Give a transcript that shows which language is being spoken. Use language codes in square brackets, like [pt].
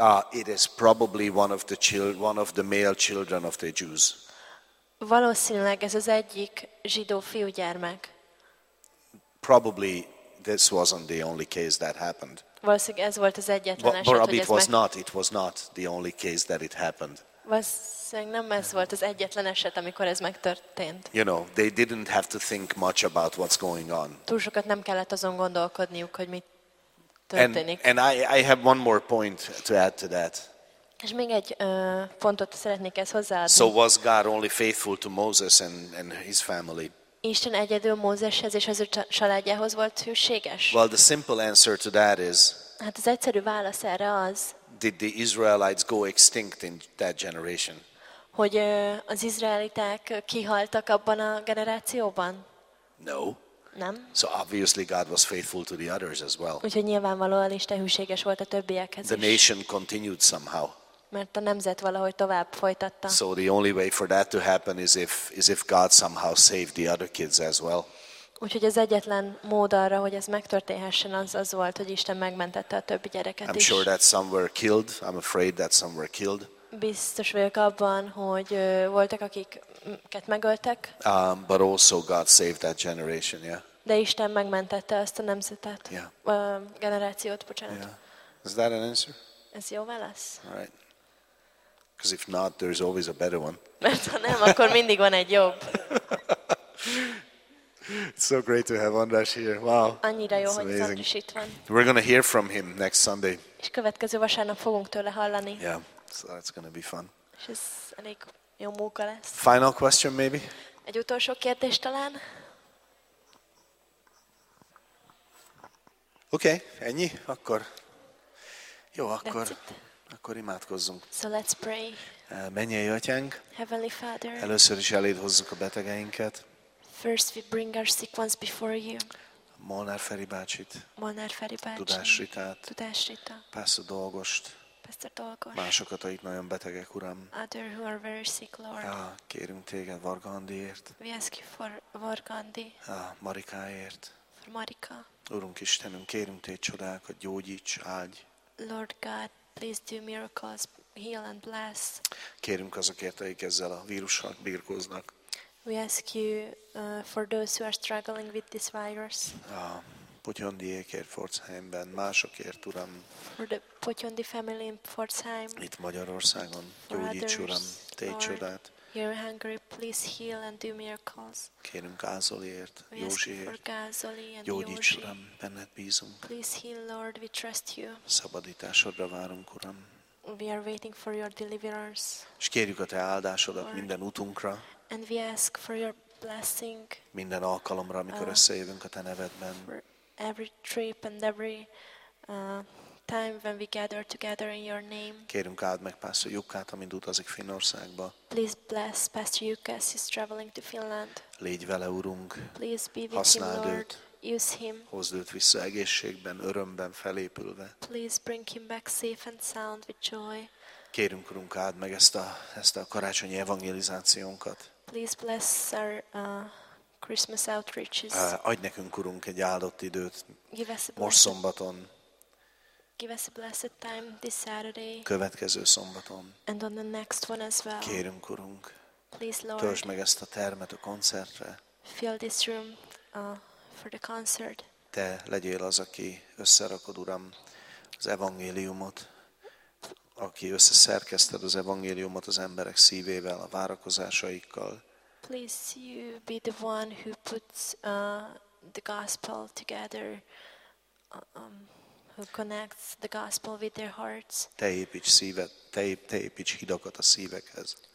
[en] It is probably one of the male children of the Jews. [hu] Valószínűleg ez az egyik zsidó fiúgyermek. [en] Probably this wasn't the only case that happened. [hu] Valószínűleg ez volt az egyetlen eset, hogy ez meg. [en] It was not the only case that it happened. [hu] Valószínűleg nem ez volt az egyetlen eset, amikor ez megtörtént. [en] You know, they didn't have to think much about what's going on. [hu] Túl sokat nem kellett azon gondolkodniuk, hogy mi történik. [en] And I have one more point to add to that. [hu] És még egy pontot szeretnék ezt hozzáadni. [en] So was God only faithful to Moses and his family? [hu] Isten egyedül Mózeshez és az ő családjához volt hűséges. [en] Well, the simple answer to that is. [hu] Hát az egyszerű válasz erre az. [en] Did the Israelites go extinct in that generation? [hu] Hogy az izraeliták kihaltak abban a generációban? [en] No. [hu] Nem. [en] So obviously God was faithful to the others as well. [hu] Úgyhogy nyilvánvalóan Isten hűséges volt a többiekhez is. [en] The nation continued somehow. [hu] Mert a nemzet valahogy tovább folytatta. [en] So the only way for that to happen is if God somehow saved the other kids as well. [hu] Úgyhogy az egyetlen mód arra, hogy ez megtörténhessen, az volt, hogy Isten megmentette a többi gyereket is. [en] I'm sure that some were killed. I'm afraid that some were killed. [hu] Biztos vagyok abban, hogy voltak, akiket megöltek. [en] But also God saved that generation, yeah. [hu] De Isten megmentette azt a nemzetet. [en] Yeah. [hu] Generációt, bocsánat. [en] Yeah. Is that an answer? [hu] Ez jó válasz. [en] All right. Because if not, there's always a better one. [hu] Mert ha nem, akkor mindig van egy jobb. [en] It's so great to have András here. Wow. [hu] Annyira jó, hogy az András itt van. [en] We're going to hear from him next Sunday. [hu] És következő vasárnap fogunk tőle hallani. [en] Yeah, so that's going to be fun. [hu] És ez elég jó móka lesz. [en] Final question maybe? [hu] Egy utolsó kérdés talán. Okay, ennyi? Akkor jó, akkor imádkozzunk. [en] So let's pray. [hu] Mennyei Atyánk. [en] Heavenly Father. [hu] Először is eléd hozzuk a betegeinket. [en] First we bring our sick ones before you. [hu] Molnár Feri bácsit. Molnár Feri bácsi. Tudás Ritát. Tudás Rita. Pásztor Dolgost. Pásztor Dolgost. Másokat, akik nagyon betegek, Uram. [en] Others who are very sick, Lord. [hu] Kérünk téged Varga Andiért. [en] We ask you for Varga Andi. [hu] Marikáért. [en] For Marika. [hu] Urunk Istenünk, kérünk téged csodákat, gyógyíts, áldj. [en] Lord God, please do miracles, heal and bless. [hu] Kérünk azokért, akik ezzel a vírussal birkóznak. [en] We ask you for those who are struggling with this virus. [hu] Potyondiékért, Pforzheimben, másokért, Uram. [en] For the Potyondi family in Pforzheim. [hu] Itt Magyarországon, gyógyíts, Uram, tégy csodát. [en] You're hungry, please heal and do miracles. [hu] Kérünk Gázoliért, Józsiért. Gyógyíts, Uram, benned bízunk. [en] Please heal, Lord, we trust you. [hu] Szabadításodra várunk, Uram. [en] We are waiting for your deliverance. [hu] És kérjük a te áldásodat, Lord, minden utunkra. [en] And we ask for your blessing. [hu] Minden alkalomra, amikor összejövünk a te nevedben. [en] For every trip and every time when we gather together in your name. [hu] Kérünk, áld meg Pastor Jukkát, amint utazik Finnországba. [en] Please bless Pastor Jukkás, he's traveling to Finland. [hu] Légy vele, Urunk. [en] Please be with him, Lord. Use him. [hu] Hozd őt vissza egészségben, örömben felépülve. [en] Please bring him back safe and sound with joy. [hu] Kérünk, Urunk, áld meg ezt a karácsonyi evangelizációnkat. [en] Please bless our Christmas outreaches. [hu] Adj nekünk, Urunk, egy áldott időt. [en] Give us a [hu] most [en] blessed, [hu] szombaton. [en] Give us a blessed time this Saturday. [hu] Következő szombaton. [en] And on the next one as well. [hu] Kérünk, Urunk. [en] Please, Lord. [hu] Töltsd meg ezt a termet a koncertre. [en] Fill this room for the concert. [hu] Te legyél az, aki összerakod, Uram, az evangéliumot. Aki összeszerkezted az evangéliumot az emberek szívével, a várakozásaikkal. [en] Please you be the one who puts the gospel together, who connects the gospel with their hearts. [hu] Te építs szívet, te építs hidakat a szívekhez.